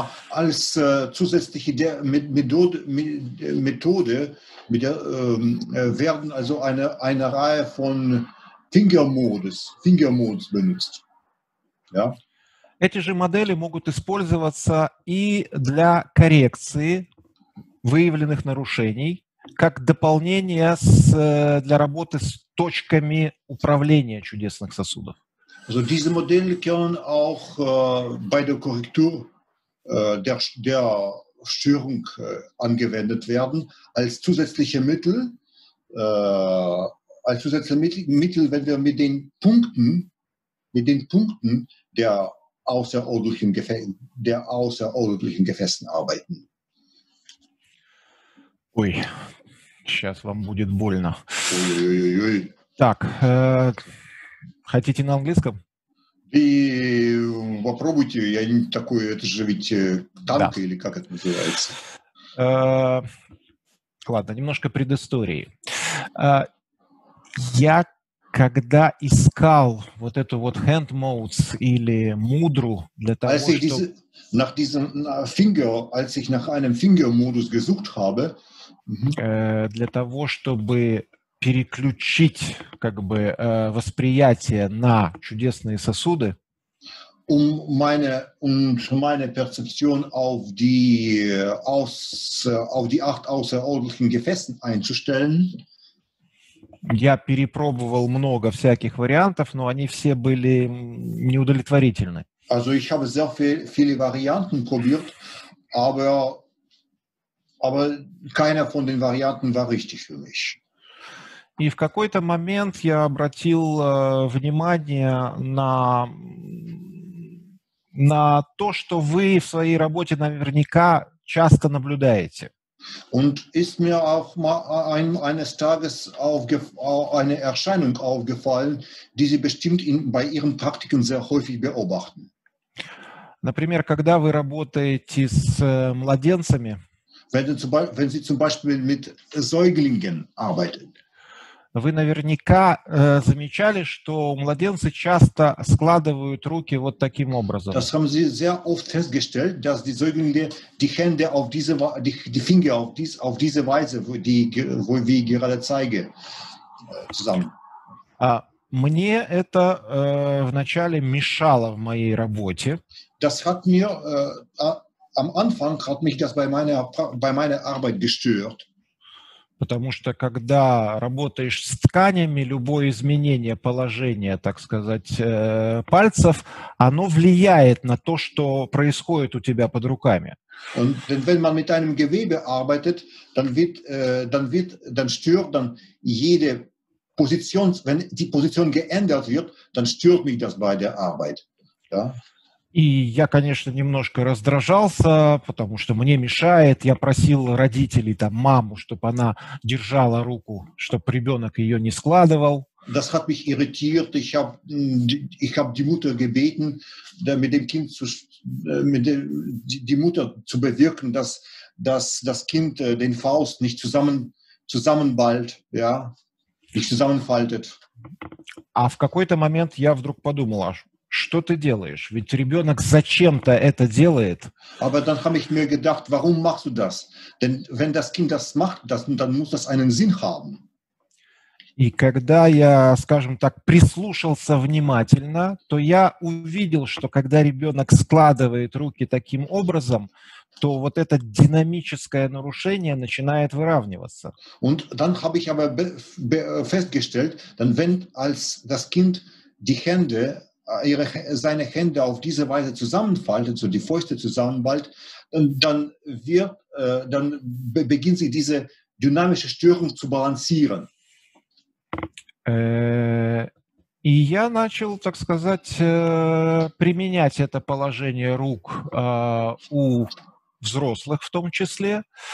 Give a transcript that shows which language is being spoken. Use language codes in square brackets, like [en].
[de] Als zusätzliche Methode mit der, werden also eine Reihe von Finger modes benutzt. Ja? [ru] Эти же модели могут использоваться и для коррекции выявленных нарушений, как дополнение для работы с точками управления чудесных сосудов. [de] Also diese Modelle können auch bei der Korrektur der Störung angewendet werden als zusätzliche Mittel, wenn wir mit den Punkten, der außerordentlichen Gefäßen, arbeiten. [ru] Ui, сейчас вам будет больно. Ой-ой-ой. Так, хотите на английском? И попробуйте, я не такой, это же ведь танк, да. Или как это называется? Ладно, немножко предыстории. Я, когда искал вот эту вот hand modes или мудру для того, [de] als ich diese, [ru] чтобы... [de] Nach diesem finger, als ich nach einem finger-modus gesucht habe, [ru] для того, чтобы переключить как бы восприятие на чудесные сосуды, [de] meine Perzeption auf die acht außerordentlichen Gefäßen einzustellen. [ru] Я перепробовал много всяких вариантов, но они все были неудовлетворительны. [de] Also ich habe sehr viele Varianten probiert, aber keine von den Varianten war richtig für mich. [ru] И в какой-то момент я обратил внимание на то, что вы в своей работе наверняка часто наблюдаете. [de] Und ist mir auch mal eines Tages eine Erscheinung aufgefallen, die Sie bestimmt bei Ihren Praktiken sehr häufig beobachten. [ru] Например, когда вы работаете с младенцами, [de] wenn Sie zum Beispiel mit Säuglingen arbeiten, [ru] вы наверняка замечали, что младенцы часто складывают руки вот таким образом. [de] Das haben Sie sehr oft festgestellt, dass die Säuglinge die Hände auf diese die Finger auf diese Weise, wo wir gerade zeige, zusammen. [ru] Мне это вначале мешало в моей работе. [de] Das hat mir am Anfang hat mich das bei meiner Arbeit gestört. [ru] Потому что, когда работаешь с тканями, любое изменение положения, так сказать, пальцев, оно влияет на то, что происходит у тебя под руками. [de] Und wenn man mit einem Gewebe arbeitet, dann stört dann jede Position, wenn die Position geändert wird, dann stört mich das bei der Arbeit. Ja? [ru] И я, конечно, немножко раздражался, потому что мне мешает. Я просил родителей, там, маму, чтобы она держала руку, чтобы ребенок ее не складывал. [de] Das hat mich irritiert. Ich hab die Mutter gebeten, mit dem Kind zu, mit dem, die Mutter zu bewirken, dass das Kind den Faust nicht zusammenballt, ja, nicht zusammenfaltet. [ru] А в какой-то момент я вдруг подумал, аж. Что ты делаешь? Ведь ребенок зачем-то это делает. [de] Aber dann habe ich mir gedacht, warum machst du das? Denn wenn das Kind das macht, dann muss das einen Sinn haben. [ru] И когда я, скажем так, прислушался внимательно, то я увидел, что когда ребенок складывает руки таким образом, то вот это динамическое нарушение начинает выравниваться. [de] Und dann habe ich aber festgestellt, dann wenn als das Kind die Hände ihre, seine Hände auf diese Weise zusammenfaltet, so die Fäuste zusammenballt, dann wird, dann beginnt sie diese dynamische Störung zu balancieren. [ru] И я начал, так сказать, применять это положение рук у взрослых в том числе.